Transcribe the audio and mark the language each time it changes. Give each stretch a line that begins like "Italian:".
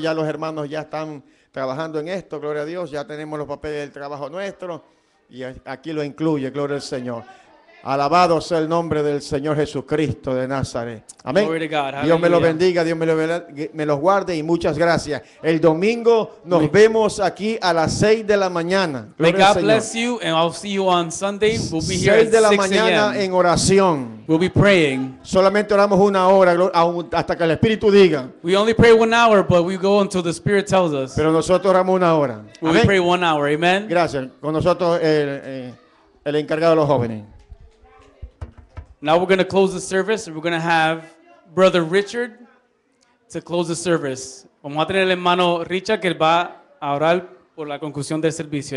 Spanish: Ya los hermanos ya están trabajando en esto, gloria a Dios, ya tenemos los papeles del trabajo nuestro y aquí lo incluye, gloria al Señor. Alabado sea el nombre del Señor Jesucristo de Nazaret. Amén.
English: Glory to God.
Spanish: Dios me lo bendiga, Dios me los guarde y muchas gracias. El domingo nos vemos aquí a las 6 de la mañana.
English: May God bless you and I'll see you on Sunday. We'll be here at
Spanish: 6 de la mañana en oración.
English: We'll be praying.
Spanish: Solamente oramos una hora hasta que el Espíritu diga.
English: We only pray 1 hour, but we go until the Spirit tells us.
Spanish: Pero nosotros oramos una hora.
English: We pray 1 hour. Amen.
Spanish: Gracias. Con nosotros el encargado de los jóvenes.
English: Now we're going to close the service. We're going to have Brother Richard to close the service.
Spanish: Vamos a tener el hermano Richard que va a orar por la conclusión del servicio.